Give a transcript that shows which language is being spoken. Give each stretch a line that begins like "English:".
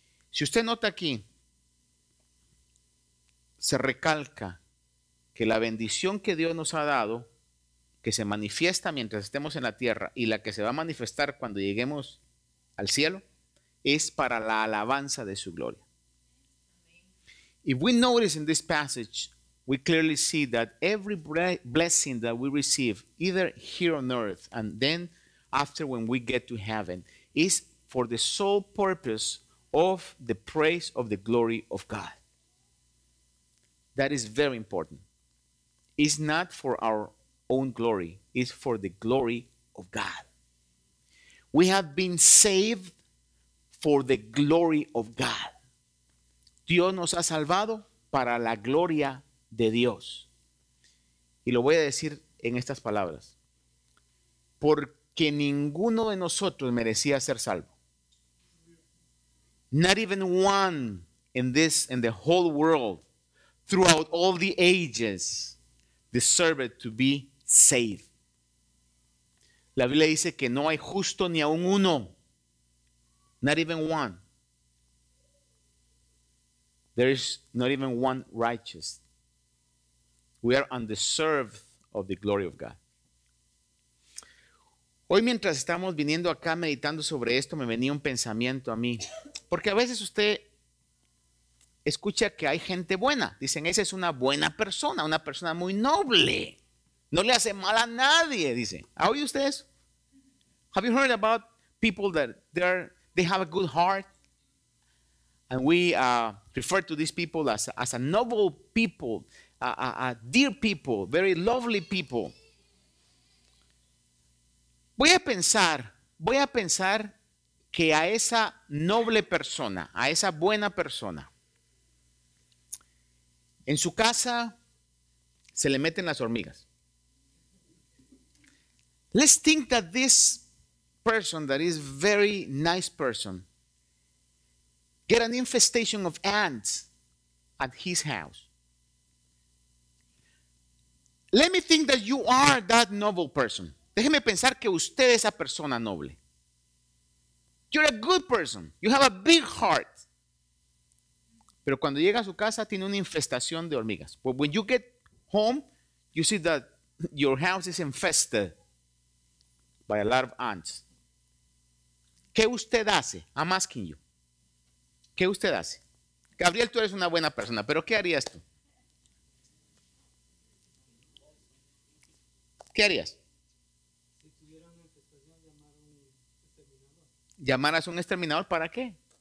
Spanish: Si usted nota aquí, se recalca que la bendición que Dios nos ha dado, que se manifiesta mientras estemos en la tierra y la que se va a manifestar cuando lleguemos al cielo, es para la alabanza de su gloria.
English: If we notice in this passage, we clearly see that every blessing that we receive, either here on earth and then after when we get to heaven, is for the sole purpose of the praise of the glory of God. That is very important. It's not for our own glory. It's for the glory of God. We have been saved for the glory of God.
Spanish: Dios nos ha salvado para la gloria de Dios. Y lo voy a decir en estas palabras. Porque ninguno de nosotros merecía ser salvo.
English: Not even one in the whole world, throughout all the ages, deserved to be saved.
Spanish: La Biblia dice que no hay justo ni aun uno.
English: Not even one. There is not even one righteous. We are undeserved of the glory of God.
Spanish: Hoy mientras estamos viniendo acá meditando sobre esto, me venía un pensamiento a mí. Porque a veces usted escucha que hay gente buena. Dicen, esa es una buena persona, una persona muy noble. No le hace mal a nadie, dice. ¿Ha oído usted eso?
English: Have you heard about people that they have a good heart? And we refer to these people as a noble people, a dear people, very lovely people.
Spanish: Voy a pensar que a esa noble persona, a esa buena persona, en su casa se le meten las hormigas.
English: Let's think that this person that is very nice person get an infestation of ants at his house. Let me think that you are that noble person.
Spanish: Déjeme pensar que usted es esa persona noble.
English: You're a good person. You have a big heart.
Spanish: Pero cuando llega a su casa, tiene una infestación de hormigas.
English: But when you get home, you see that your house is infested by a lot of ants.
Spanish: ¿Qué usted hace?
English: I'm asking you.
Spanish: ¿Qué usted hace? Gabriel, tú eres una buena persona, pero ¿qué harías tú? ¿Qué harías? ¿Llamarás a un exterminador para qué?